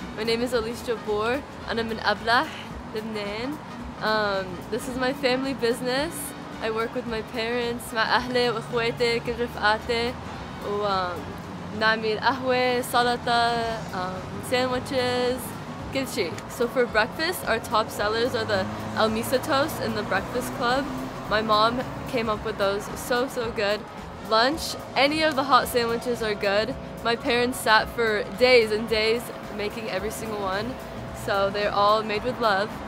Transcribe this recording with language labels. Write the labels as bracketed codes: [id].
[en] My name is Alice Jabour and I'm in Ablah, Lebanon. This is my family business. I work with my parents, [ar] مع أهلي وإخواتي كل رفقاتي ونعمل قهوة, سلطة, sandwiches, كل شيء. [en] So for breakfast, our top sellers are the El Misa toast in the breakfast club. My mom came up with those, so good. Lunch, any of the hot sandwiches are good. My parents sat for days and days making every single one, so they're all made with love.